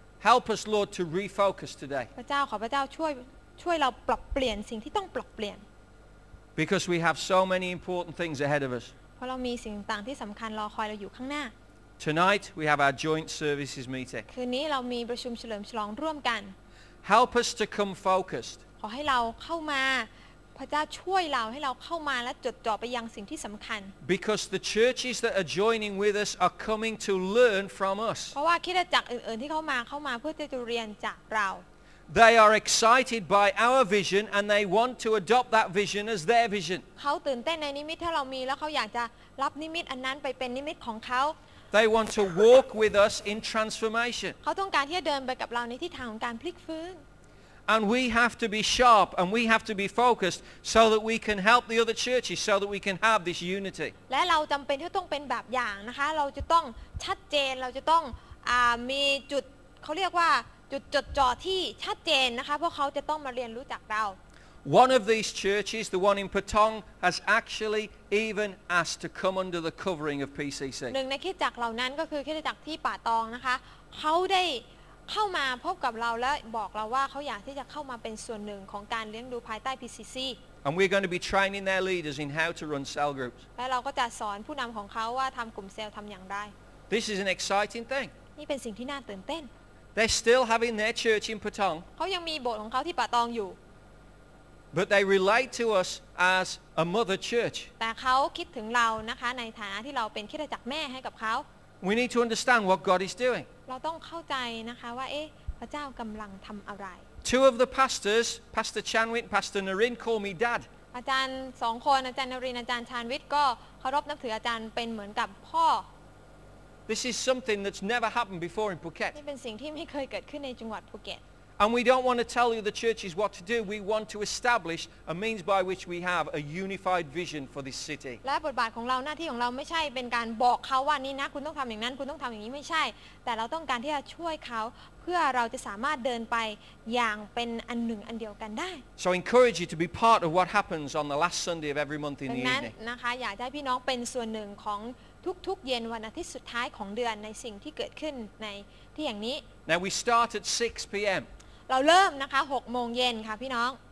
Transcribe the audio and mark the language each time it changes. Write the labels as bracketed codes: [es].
[en] Help us, Lord, to refocus today. [th] พระเจ้าขอพระเจ้าช่วยเราปรับเปลี่ยนสิ่งที่ต้องปรับเปลี่ยน [en] Because we have so many important things ahead of us. [th] เพราะเรามีสิ่งต่างที่สำคัญรอคอยเราอยู่ข้างหน้า [en] Tonight we have our joint services meeting. [th] คืนนี้เรามีประชุมเฉลิมฉลองร่วมกัน [en] Help us to come focused. [th] ขอให้เราเข้ามาพระเจ้าช่วยเราให้เราเข้ามาและจดจ่อไปยังสิ่งที่สำคัญ [en] Because the churches that are joining with us are coming to learn from us. [th] เพราะว่าคริสตจักรอื่นๆที่เข้ามาเพื่อที่จะเรียนจากเรา [en] They are excited by our vision and they want to adopt that vision as their vision. [th] เขาตื่นเต้นในนิมิตที่เรามีแล้วเขาอยากจะรับนิมิตอันนั้นไปเป็นนิมิตของเขา [en] They want to walk with us in transformation. [th] เขาต้องการที่จะเดินไปกับเราในทิศทางของการพลิกฟื้น [en] And we have to be sharp and we have to be focused so that we can help the other churches so that we can have this unity. [th] และเราจําเป็นที่ต้องเป็นแบบอย่างนะคะเราจะต้องชัดเจนเราจะต้องมีจุดเขาเรียกว่าจุดจดจ่อที่ชัดเจนนะคะพวกเขาจะต้องมาเรียนรู้จากเรา [en] One of these churches the one in Patong has actually even asked to come under the covering of PCC [th] หนึ่งในคริสตจักรเหล่านั้นก็คือคริสตจักรที่ป่าตองนะคะเขาได้เข้ามาพบกับเราแล้วบอกเราว่าเขาอยากที่จะเข้ามาเป็นส่วนหนึ่งของการเลี้ยงดูภายใต้ PCC [en] And we're going to be training their leaders in how to run cell groups [th] และเราก็จะสอนผู้นำของเขาว่าทำกลุ่มเซลล์ทำอย่างไร [en] This is an exciting thing [th] นี่เป็นสิ่งที่น่าตื่นเต้น [en] They're still having their church in Patong [th] เขายังมีโบสถ์ของเขาที่ป่าตองอยู่ [en] But they relate to us as a mother church. [th] แต่เขาคิดถึงเรานะคะในฐานะที่เราเป็นคริสตจักรแม่ให้กับเขา [en] We need to understand what God is doing. [th] เราต้องเข้าใจนะคะว่าเอ๊ะพระเจ้ากำลังทำอะไร [en] Two of the pastors, Pastor Chanwit, Pastor Narin, call me Dad. [th] อาจารย์สองคนอาจารย์นรินอาจารย์ชานวิทย์ก็เคารพนับถืออาจารย์เป็นเหมือนกับพ่อ [en] This is something that's never happened before in Phuket. [th] นี่เป็นสิ่งที่ไม่เคยเกิดขึ้นในจังหวัดภูเก็ต [en] And we don't want to tell you the churches what to do. We want to establish a means by which we have a unified vision for this city. [th] และบทบาทของเราหน้าที่ของเราไม่ใช่เป็นการบอกเขาว่านี่นะคุณต้องทำอย่างนั้นคุณต้องทำอย่างนี้ไม่ใช่แต่เราต้องการที่จะช่วยเขาเพื่อเราจะสามารถเดินไปอย่างเป็นอันหนึ่งอันเดียวกันได้ [en] So I encourage you to be part of what happens on the last Sunday of every month in the evening. [th] ดังนั้นนะคะอยากให้พี่น้องเป็นส่วนหนึ่งของทุกๆเย็นวันอาทิตย์สุดท้ายของเดือนในสิ่งที่เกิดขึ้นในที่อย่างนี้ [en] Now we start at 6 p.m. [th] เราเริ่มนะคะ6โมงเย็นค่ะพี่น้อง